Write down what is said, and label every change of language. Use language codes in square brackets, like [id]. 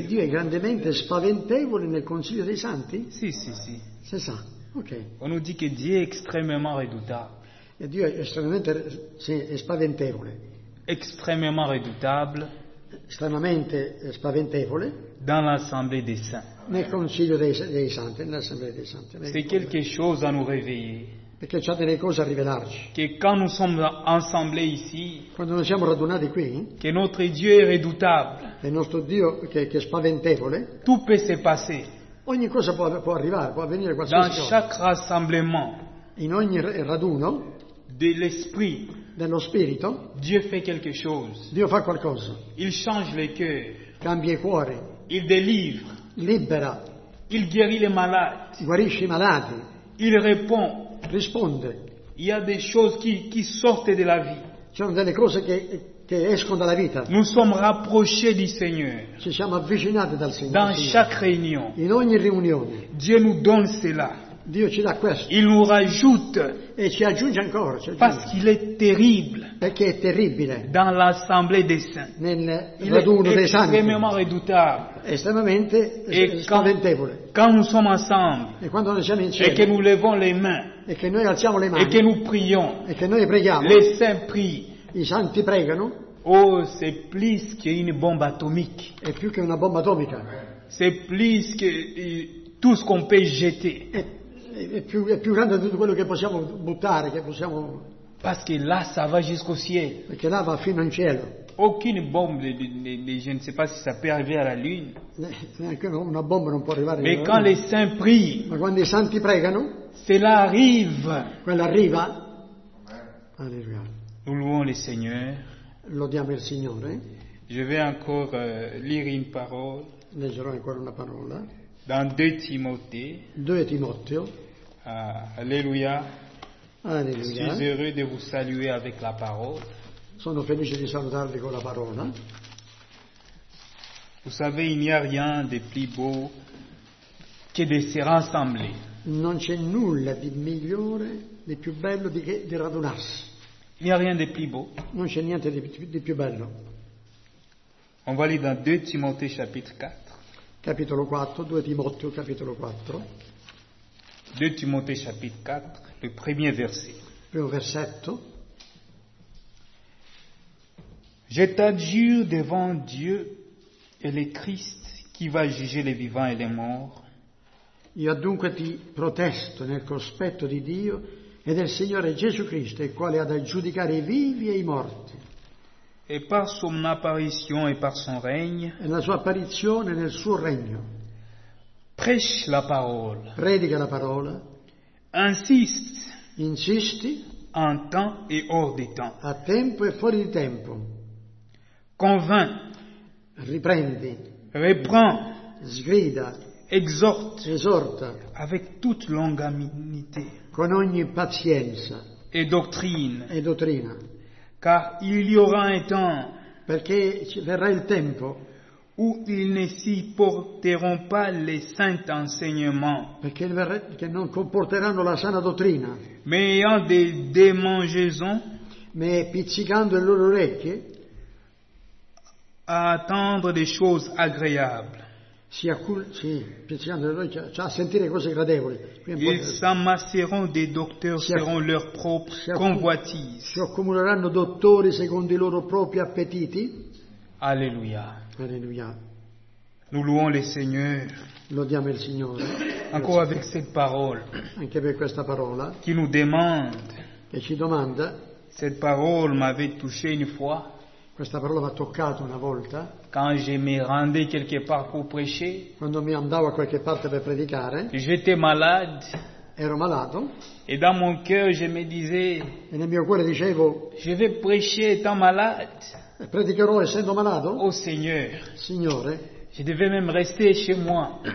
[it] E Dio è grandemente spaventevole nel Consiglio dei Santi? Sì, sì, sì. [fr] C'est ça. Ok. On nous dit que Dieu est extrêmement redoutable. [it] E Dio è estremamente, sì, è spaventevole. [fr] Extrêmement redoutable. [it] Estremamente spaventevole. [fr] Dans l'Assemblée des Saints. [it] Nel Consiglio dei Santi, nell'Assemblée dei Santi. [fr] C'est quelque chose à nous réveiller. [it] Perché c'ha delle cose a rivelarci. [fr] Que quand nous sommes ensemble ici, [it] quando noi siamo radunati qui, [fr] que notre Dieu est redoutable. [it] Il nostro Dio che è spaventevole. [fr] Tout peut se passer. [it] Ogni cosa può arrivare, può avvenire qualsiasi [fr] dans [it] cosa. [fr] Dans chaque rassemblement. [it] In ogni raduno. [fr] De l'esprit. [it] Dello spirito. [fr] Dieu fait quelque chose. [it] Dio fa qualcosa. [fr] Il change le cœur. [it] Cambia i cuori. [fr] Il délivre. [it] Libera. [fr] Il guérit les malades. [it] Guarisce i malati. [fr] Il répond. [it] Risponde. [fr] Il y a des choses qui sortent de la vie. [it] Ci sono delle cose che escono dalla vita. [fr] Nous sommes rapprochés du Seigneur. [it] Ci siamo avvicinati dal Signore. [fr] Dans chaque réunion. [it] In ogni riunione. [fr] Dieu nous donne cela. [it] Dio ci dà questo. [fr] Il nous rajoute. [it] E ci aggiunge ancora. Ci aggiunge. [fr] Parce qu'il est terrible. [it] Perché è terribile. [fr] Dans l'assemblée des saints. [it] Nel raduno dei santi. [fr] Estremamente redoutable. [it] Estremamente spaventevole. [fr] Quand nous sommes ensemble. [it] E quando noi siamo insieme. [fr] Et que nous levons les mains. [it] E che noi alziamo le mani. [fr] Et que nous prions. [it] E che noi preghiamo. [fr] Les saints prient. [it] I santi pregano. [fr] Oh, c'est plus qu'une bombe atomique. [it] È più che una bomba atomica. [fr] C'est plus que tout ce qu'on peut jeter. [it] È più grande di tutto quello che possiamo buttare, che possiamo. [fr] Parce que là, ça va jusqu'au ciel. [it] Perché là va fino al cielo. [fr] Aucune bombe, je ne sais pas si ça peut arriver à la lune. [it] Una bomba non può arrivare. [fr] Mais quand les saints prient. [it] Ma quando i santi pregano. [fr] Cela arrive. [it] Quella arriva. Alléluia. [fr] Nous louons le Seigneur. [it] Lodiamo il Signore. [fr] Je vais encore lire une parole. [it] Leggerò ancora una parola. [fr] Dans 2 Timothée. [it] 2 Timoteo. Alléluia. Alléluia. [fr] Je suis heureux de vous saluer avec la parole. [it] Sono felice di salutarvi con la parola. [fr] Vous savez, il n'y a rien de plus beau que de se rassembler. [it] Non c'è nulla di migliore, di più bello di radunarsi. [fr] Il n'y a rien de plus beau. [it] Non c'è niente di più bello. [fr] On va lire dans 2 Timothée chapitre 4. [it] Capitolo 4, 2 Timoteo capitolo 4. [fr] 2 Timothée chapitre 4, le premier verset. [it] Primo versetto. [fr] Je t'adjure devant Dieu et le Christ qui va juger les vivants et les morts. [it] Io dunque ti protesto nel cospetto di Dio e del Signore Gesù Cristo, il quale ha da giudicare i vivi e i morti. [fr] E par son apparition et par son règne. [it] E la sua apparizione nel suo regno. [fr] Prêche la parole. [it] Predica la parola. [fr] Insiste. [it] Insisti. [fr] En temps et hors de temps. [it] A tempo e fuori di tempo. [fr] Convainc. [it] Riprendi. [fr] Reprends. [it] Sgrida. [fr] Exhorte avec toute longanimité, [it] con ogni pazienza, e dottrina, [fr] car il y aura un temps, [it] perché ci verrà il tempo, [fr] où ils ne supporteront pas les saints enseignements, [it] perché non comporteranno la sana dottrina, [fr] mais ayant des démangeaisons, [it] ma pizzicando le loro orecchie, [fr] à attendre des choses agréables. [it] si pensando a noi, cioè a sentire cose gradevoli. [fr] Ils s'amasseront des docteurs seront leurs propres convoitises. [it] Si accumuleranno dottori secondo i loro propri appetiti. Alleluia. Alleluia. [fr] Nous louons le Seigneur. [it] Lodiamo il Signore. [fr] Encore avec cette parole. [it] Anche per questa parola. [fr] Qui nous demande. [it] Che ci domanda. [fr] Cette parole m'avait touché une fois. [it] Questa parola mi ha toccato una volta. [fr] Quand je me rendais quelque part pour prêcher. [it] Quando mi andavo a qualche parte per predicare. [fr] J'étais malade. [it] Ero malato. [fr] Et dans mon cœur je me disais. [it] E nel mio cuore dicevo. [fr] Je vais prêcher étant malade. [it] E predicherò essendo malato. [fr] Oh Seigneur. [it] Signore. [fr] Je devais même rester chez moi.